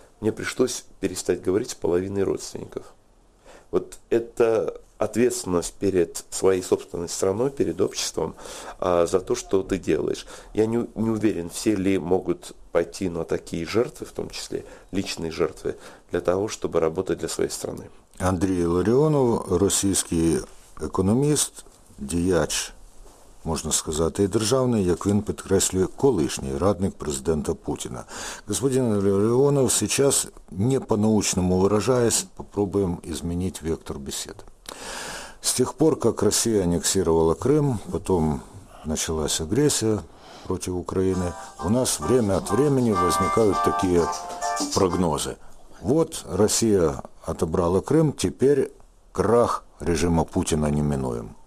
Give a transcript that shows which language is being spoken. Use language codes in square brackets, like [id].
[ru] Мне пришлось перестать говорить с половиной родственников. Вот это ответственность перед своей собственной страной, перед обществом, за то, что ты делаешь. Я не уверен, все ли могут пойти на такие жертвы, в том числе личные жертвы, для того, чтобы работать для своей страны. [uk] Андрей Ларионов, российский экономист, діяч, можна сказати, і державний, як він підкреслює, колишній радник президента Путіна. Господин Ларіонов, зараз не [ru] по-научному виражаясь, [uk] попробуємо змінити вектор бесіди. [ru] С тех пор, как Россия аннексировала Крым, потом началась агрессия против Украины, у нас время от времени возникают такие прогнозы. Вот Россия отобрала Крым, теперь крах режима Путина неминуем.